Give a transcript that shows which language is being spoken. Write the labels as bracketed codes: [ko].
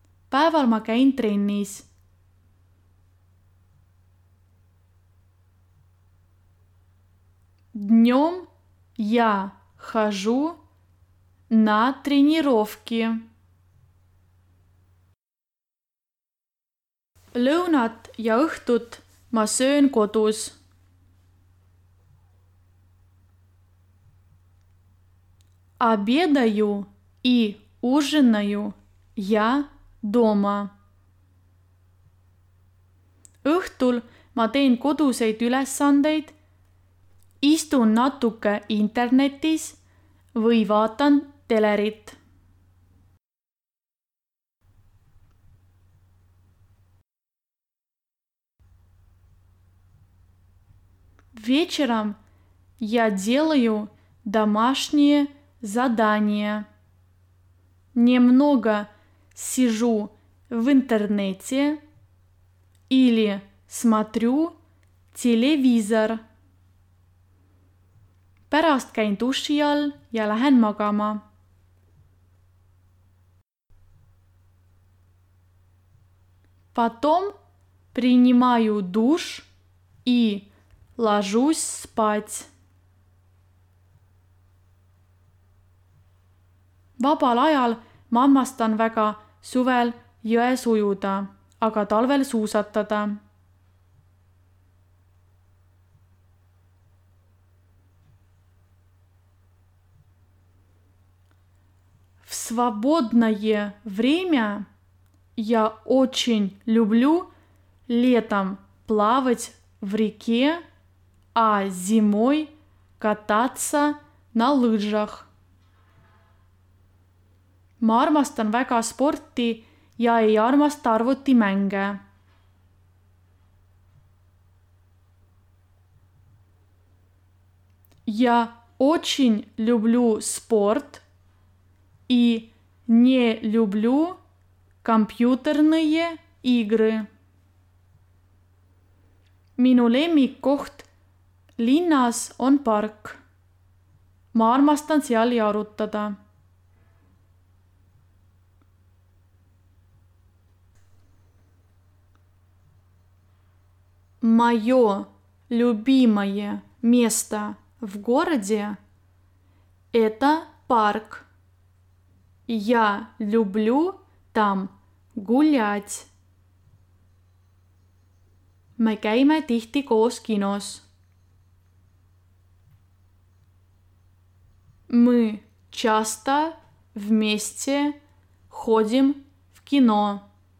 [et] Päeval ma käin trennis. [ru] Днем я хожу на тренировки. [et] Lõunat ja õhtut ma söön kodus. [ru] Обедаю и ужинаю я дома. [et] Õhtul ma teen koduseid ülesandeid. Istun natuke internetis või vaatan telerit. [ru] Вечером я делаю домашние задания. Немного сижу в интернете или смотрю телевизор. [et] Pärast käin duši all ja lähen magama. [ru] Потом принимаю душ и ложусь спать. [et] Vabal ajal mammastan väga suvel jões ujuda, aga talvel suusatada. [ru] Свободное время я очень люблю летом плавать в реке, а зимой кататься на лыжах. [et] Ma armastan väga sporti ja ei armast arvuti mänge. [ru] Я очень люблю спорт. И не люблю компьютерные игры. [et] Minu lemmikkoht Linnas on park. Ma armastan seal jalutada. [ru] Моё любимое место в городе – это парк. Я люблю там гулять. [et] Me käime tihti koos kinos. [ru] Мы часто вместе ходим в кино.